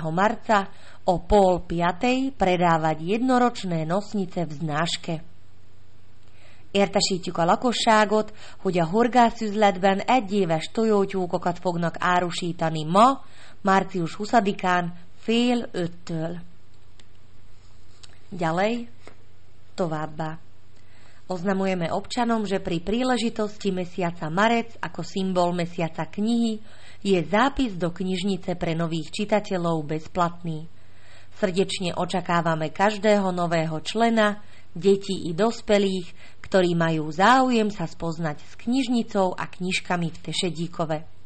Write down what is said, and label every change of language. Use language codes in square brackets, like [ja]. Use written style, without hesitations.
[sk] marca, o 4:30 predávať jednoročné nosnice v znáške. [hu] Értesítjük a lakosságot, hogy a horgászüzletben egyéves tojótyúkokat fognak árusítani ma, március 20-án, 16:30. [sk] Ďalej, [hu] továbbá. [sk] Oznamujeme občanom, že pri príležitosti mesiaca marec ako symbol mesiaca knihy je zápis do knižnice pre nových čitateľov bezplatný. Srdečne očakávame každého nového člena, detí i dospelých, ktorí majú záujem sa spoznať s knižnicou a knižkami v Tešedíkove.